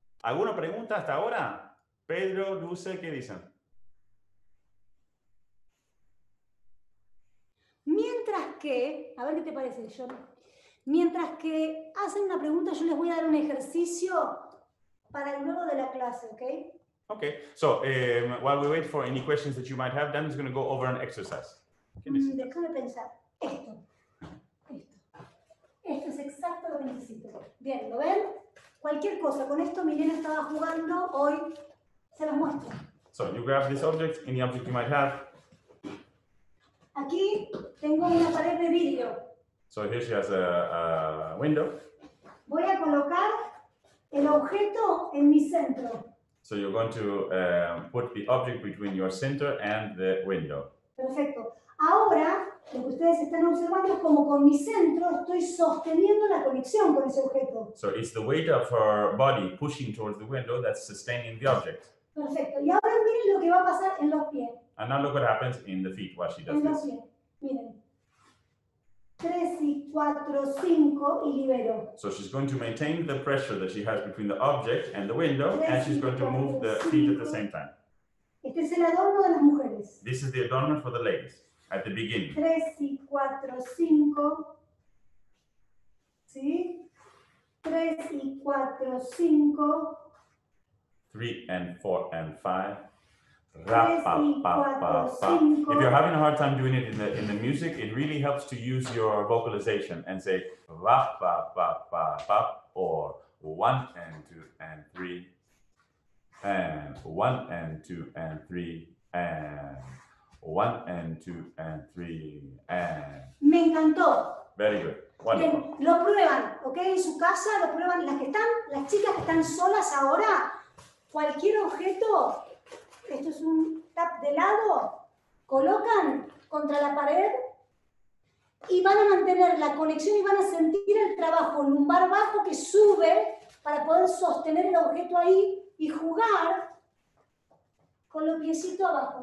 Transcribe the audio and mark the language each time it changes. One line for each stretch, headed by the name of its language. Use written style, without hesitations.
Spanish: ¿Alguna pregunta hasta ahora? Pedro, Luce, ¿qué dicen? mientras que, a ver qué te parece, John. Mientras que hacen una pregunta, yo les voy a dar un ejercicio para el luego de la clase, ¿ok? Ok.
English: So, while we wait for any questions that you might have, Dan is going to go over an exercise.
Spanish: Déjame pensar. Esto. Esto es exacto lo que necesito. Bien, ¿lo ven? Cualquier cosa. Con esto Milena estaba jugando hoy. Se los muestro.
English: So, you grab this object, any object you might have.
Spanish: Aquí tengo una pared de vidrio.
English: So here she has a window.
Spanish: Voy a colocar el objeto en mi centro.
English: So you're going to put the object between your center and the window.
Spanish: Perfecto. Ahora, lo que ustedes están observando es como con mi centro estoy sosteniendo la conexión con ese objeto.
English: So it's the weight of her body pushing towards the window that's sustaining the object.
Spanish: Perfecto. Y ahora miren lo que va a pasar en los pies.
English: And now look what happens in the feet while she does
Spanish: this. En los pies. Miren. 3 y 4, 5 y libero.
English: So she's going to maintain the pressure that she has between the object and the window, and she's going to move the feet at the same time.
Spanish: Este es el adorno de las mujeres.
English: This is the adornment for the ladies at the beginning.
Spanish: 3 y 4, 5. ¿Sí? 3 y 4, 5.
English: 3 and 4 and 5. If you're having a hard time doing it in the music, it really helps to use your vocalization and say ra pa pa pa pa, or 1 and 2 and 3, and 1 and 2 and 3, and 1 and 2 and 3, and.
Spanish: Me encantó.
English: Very good. Wonderful.
Spanish: Lo prueban, okay? En su casa lo prueban. Las chicas que están solas ahora, cualquier objeto. Esto es un tap de lado. Colocan contra la pared y van a mantener la conexión y van a sentir el trabajo lumbar bajo que sube para poder sostener el objeto ahí y jugar con los piecitos abajo.